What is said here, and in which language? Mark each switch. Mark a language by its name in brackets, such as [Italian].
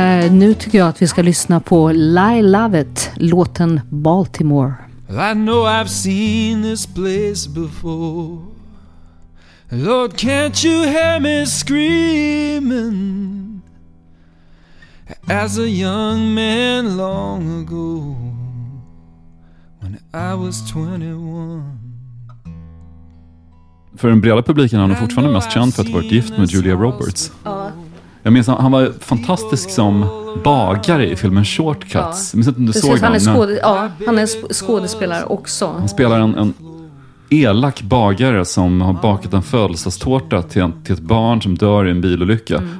[Swedish] Nu tycker jag att vi ska lyssna på Lie Love It, låten Baltimore. [English] I know I've seen this place before. Lord, can't you hear me screaming? As a young man long ago, when I was 21. [Swedish] För den breda publiken är han fortfarande mest känd för att ha varit gift med Julia Roberts. Jag minns han var fantastisk som bagare i filmen Shortcuts. Ja. Minns inte om du såg han? Han är skådespelare också. Han spelar en elak bagare som har bakat en födelsedagstårta till ett barn som dör i en bilolycka. Mm.